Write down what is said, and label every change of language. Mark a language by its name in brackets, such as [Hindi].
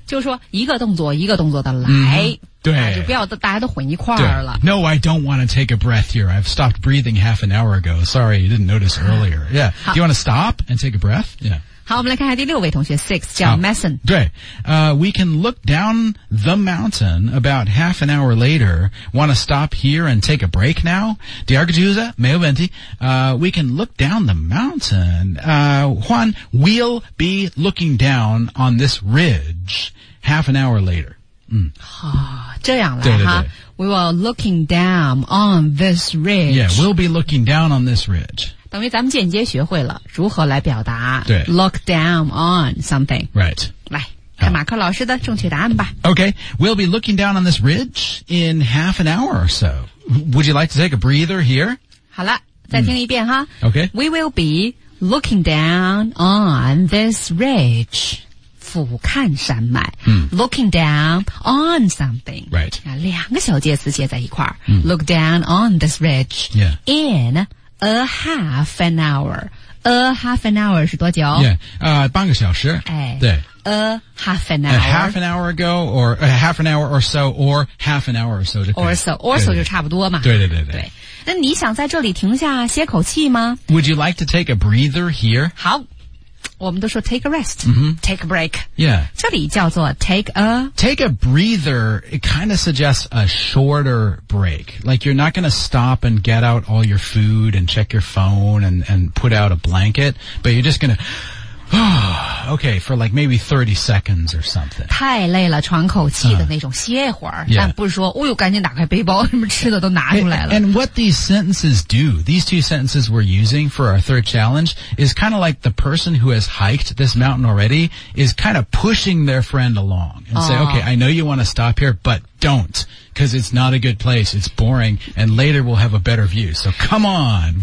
[Chinese] 就是说一个动作一个动作的来, 对，就不要大家都混一块儿了。 [English] No, I don't want to take a breath here. I've stopped breathing half an hour ago. Sorry, you didn't notice earlier. Yeah. Do you want to stop and take a breath? Yeah. [Chinese] 好,我们来看看第六位同学, 6, 叫Mason. 对, [English] we can look down the mountain about half an hour later. Want to stop here and take a break now? [Chinese] 第二个句子,没有问题, [English] we can look down the mountain. Juan, we'll be looking down on this ridge half an hour later. [Chinese] 这样来哈, [English] we were looking down on this ridge. Yeah, we'll be looking down on this ridge. [Chinese] 等于咱们间接学会了如何来表达 [English] look down on something. Right. [Chinese] 来看马克老师的正确答案吧。 [English] Okay, we'll be looking down on this ridge in half an hour or so. Would you like to take a breather here? [Chinese] 好了,再听一遍哈。 [English] Okay. We will be looking down on this ridge. [Chinese] 俯瞰山脉, [English] looking down on something. Right. [Chinese] 两个小介词接在一块, [English] look down on this ridge. Yeah. In a half an hour. A half an hour [Chinese] 是多久? [English] Yeah. [Chinese] 半个小时. [English] 哎, a half an hour. A half an hour ago, or a half an hour or so, or half an hour or so. Or so. Or so [Chinese] 就差不多嘛。对。那你想在这里停下歇口气吗? [English] Would you like to take a breather here? [Chinese] 好。我们都说 [English] take a rest,、 mm-hmm. take a break. Yeah. 这里叫做 take a breather. It kind of suggests a shorter break. Like you're not going to stop and get out all your food and check your phone and put out a blanket, but you're just going to, okay, for like maybe 30 seconds or something. [Chinese] 太累了喘口气的那种歇会儿、 [English] yeah. [Chinese] 但不是说哦呦赶紧打开背包什么吃的都拿出来了。 [English] And what these sentences do, these two sentences we're using for our third challenge, is kind of like the person who has hiked this mountain already is kind of pushing their friend along and say, okay, I know you want to stop here, but don't, because it's not a good place, it's boring, and later we'll have a better view, so come on.